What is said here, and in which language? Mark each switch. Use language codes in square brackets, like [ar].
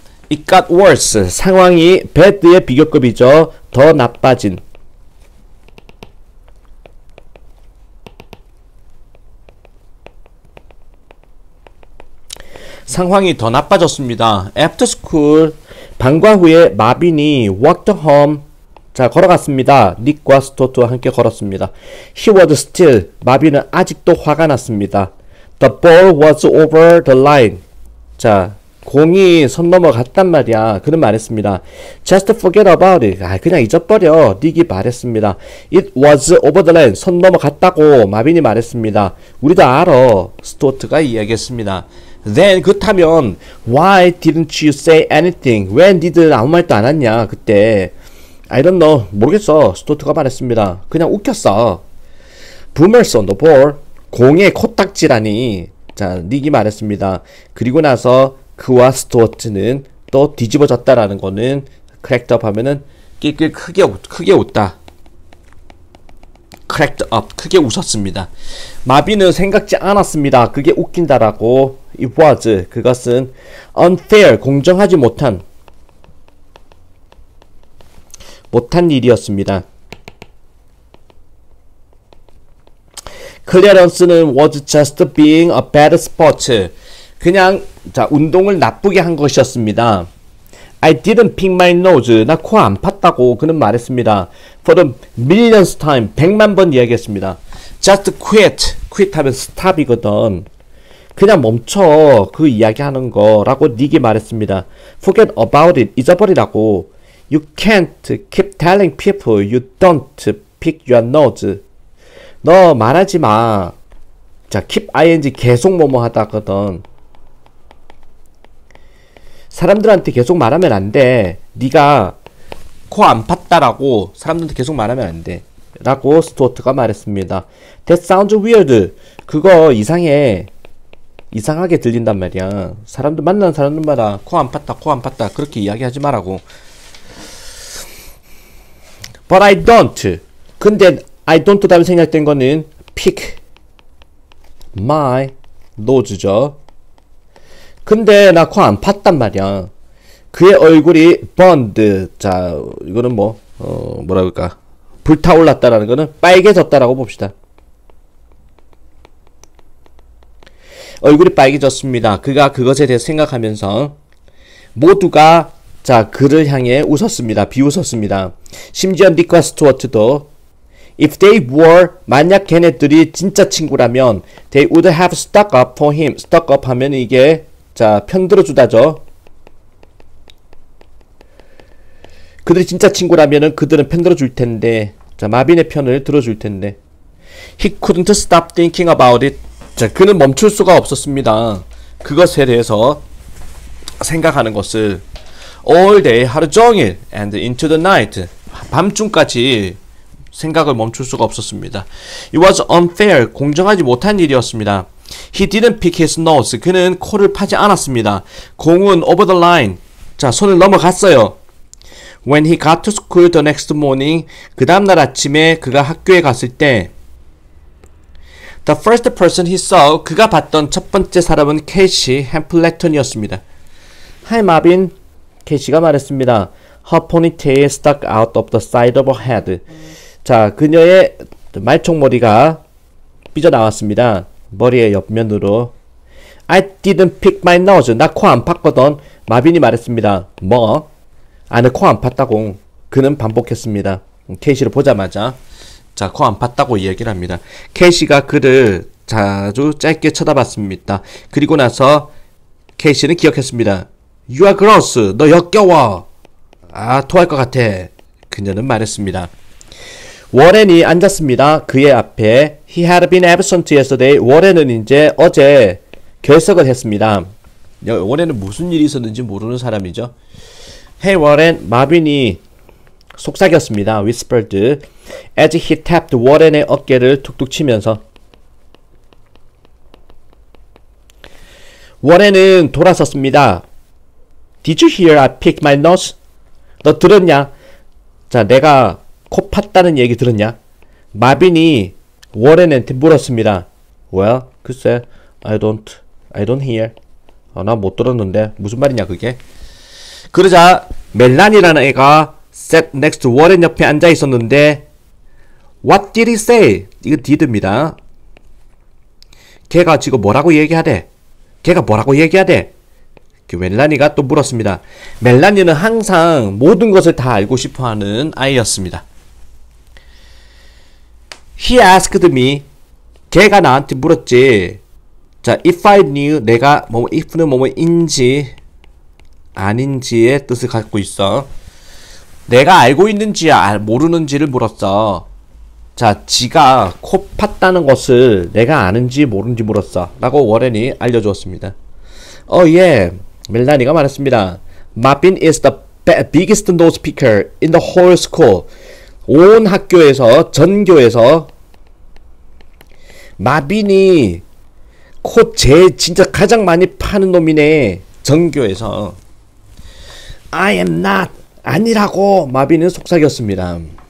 [en] It got worse. [ko] 상황이 bad의 비교급이죠. 더 나빠진. 상황이 더 나빠졌습니다. [en] After school, [ko] 방과 후에 마빈이 [en] walked home. [ko] 자, 걸어갔습니다. 닉과 스토트와 함께 걸었습니다. [en] He was still. [ko] 마비는 아직도 화가 났습니다. [en] The ball was over the line. [ko] 자, 공이 선 넘어갔단 말이야. 그는 말했습니다. [en] Just forget about it. [ko] 아, 그냥 잊어버려. 닉이 말했습니다. [en] It was over the line. [ko] 선 넘어갔다고. 마비니 말했습니다. 우리도 알아. 스토트가 이야기했습니다. [en] Then, [ko] 그렇다면, [en] why didn't you say anything? [ko] 왜 니들 아무 말도 안 했냐? 그때. [en] I don't know. [ko] 모르겠어. 스토트가 말했습니다. 그냥 웃겼어. [en] Boomers on the ball. [ko] 공의 코딱지라니. 자, 닉이 말했습니다. 그리고 나서 그와 스토트는 또 뒤집어졌다라는 거는 cracked up 하면은 끼끼 크게 웃다. cracked up. 크게 웃었습니다. 마비는 생각지 않았습니다. 그게 웃긴다라고. [en] It was. [ko] 그것은 unfair. 공정하지 못한. 못한 일이었습니다. [en] 클리어런스는 was just being a bad sport. [ko] 그냥 자 운동을 나쁘게 한 것이었습니다. [en] I didn't pick my nose. [ko] 나코안 팠다고 그는 말했습니다. [en] For the millionth time, [ko] 백만 번 이야기했습니다. [en] Just quit. [ko] quit 하면 stop이거든. 그냥 멈춰 그 이야기하는 거라고 닉이 말했습니다. [en] Forget about it. [ko] 잊어버리라고. [en] You can't keep telling people you don't pick your nose. [ko] 너 말하지 마. 자, keep ing 계속 뭐뭐 하다 하거든. 사람들한테 계속 말하면 안 돼. 네가 코안 팠다라고 사람들한테 계속 말하면 안 돼. 라고 스튜어트가 말했습니다. [en] That sounds weird. [ko] 그거 이상해. 이상하게 들린단 말이야. 사람들 만나는 사람들마다 코안 팠다, 코안 팠다 그렇게 이야기하지 말라고. [en] But I don't. [ko] 근데 [en] I don't [ko] 다음 생략된 거는 [en] pick my nose죠. [ko] 근데 나코안 팠단 말이야. 그의 얼굴이 burned. 자, 이거는 뭐, 뭐라 그럴까? 불타올랐다라는 거는 빨개졌다라고 봅시다. 얼굴이 빨개졌습니다. 그가 그것에 대해서 생각하면서 모두가 자, 그를 향해 웃었습니다. 비웃었습니다. 심지어 닉과 스튜어트도 [en] If they were, [ko] 만약 걔네들이 진짜 친구라면 [en] they would have stuck up for him. [ko] stuck up 하면 이게 자, 편들어주다죠. 그들이 진짜 친구라면 그들은 편들어줄 텐데 자, 마빈의 편을 들어줄 텐데 [en] He couldn't stop thinking about it. [ko] 자, 그는 멈출 수가 없었습니다. 그것에 대해서 생각하는 것을 [en] All day, [ko] 하루 종일, [en] and into the night. [ko] 밤중까지 생각을 멈출 수가 없었습니다. [en] It was unfair. [ko] 공정하지 못한 일이었습니다. [en] He didn't pick his nose. [ko] 그는 코를 파지 않았습니다. 공은 [en] over the line. [ko] 자, 손을 넘어갔어요. [en] When he got to school the next morning, [ko] 그 다음날 아침에 그가 학교에 갔을 때, [en] The first person he saw, [ko] 그가 봤던 첫 번째 사람은 캐시 햄플렉턴이었습니다. [en] Hi, Marvin. [ko] 캐시가 말했습니다. [en] Her ponytail stuck out of the side of her head. [ko] 자, 그녀의 말총머리가 삐져나왔습니다. 머리의 옆면으로. [en] I didn't pick my nose. [ko] 나코안 팠거든. 마빈이 말했습니다. 뭐? 아, 코안 팠다고. 그는 반복했습니다. 캐시를 보자마자. 자, 코안 팠다고 이야기를 합니다. 캐시가 그를 자주 짧게 쳐다봤습니다. 그리고 나서 캐시는 기억했습니다. [en] You are gross. [ko] 너 역겨워. 아, 토할 것 같아. 그녀는 말했습니다. 워렌이 앉았습니다. 그의 앞에. [en] He had been absent yesterday. [ko] 워렌은 이제 어제 결석을 했습니다. 워렌은 무슨 일이 있었는지 모르는 사람이죠. Hey, 워렌. 마빈이 속삭였습니다. Whispered. [en] As he tapped [ko] 워렌의 어깨를 툭툭 치면서. 워렌은 돌아섰습니다. [en] Did you hear I picked my nose? [ko] 너 들었냐? 자, 내가 코 팠다는 얘기 들었냐? 마빈이 워렌한테 물었습니다. [en] Well, [ko] 글쎄, [en] I don't hear. [ko] 아, 나못 들었는데. 무슨 말이냐, 그게? 그러자, 멜란이라는 애가 [en] sat next [ko] 워렌 옆에 앉아 있었는데, [en] What did he say? [ko] 이거 did입니다. 걔가 지금 뭐라고 얘기하대? 걔가 뭐라고 얘기하대? 그 멜라니가 또 물었습니다. 멜라니는 항상 모든 것을 다 알고 싶어 하는 아이였습니다. [en] He asked me. [ko] 걔가 나한테 물었지. 자, [en] if I knew [ko] 내가 뭐뭐, if는 뭐뭐인지 아닌지의 뜻을 갖고 있어. 내가 알고 있는지 모르는지를 물었어. 자, 지가 코 팠다는 것을 내가 아는지 모른지 물었어. 라고 워렌이 알려주었습니다. 예. 멜라니가 말했습니다. [en] Marvin is the biggest nose picker in the whole school. [ko] 온 학교에서, 전교에서, 마빈이 코 제일 진짜 가장 많이 파는 놈이네. 전교에서. [en] I am not. [ko] 아니라고. 마빈은 속삭였습니다.